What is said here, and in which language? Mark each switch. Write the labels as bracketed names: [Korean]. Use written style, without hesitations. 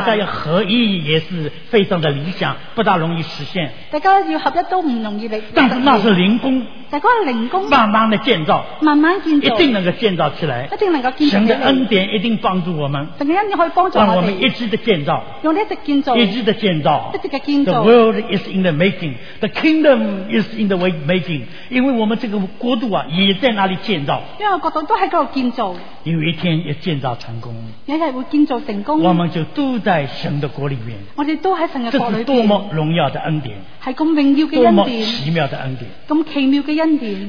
[Chinese] 大家要合意也是非常的理想，不大容易实现。大家要合一都不容易。但是那是灵工。但是那是灵工。慢慢的建造。慢慢建造。一定能够建造起来。一定能够建造。神的恩典一定帮助我们。神的恩典可以帮助我们。让我们一直的建造。用一直建造。一直的建造。一直的建造。 [English] The world is in the making. The kingdom is in the making. [Chinese] 因为我们这个国度啊，也在那里建造。各种都在那里建造，有一天要建造成功，有一天会建造成功，我们就都在神的国里面，我们都在神的国里面，这是多么荣耀的恩典，是这么荣耀的恩典，多么奇妙的恩典，这么奇妙的恩典。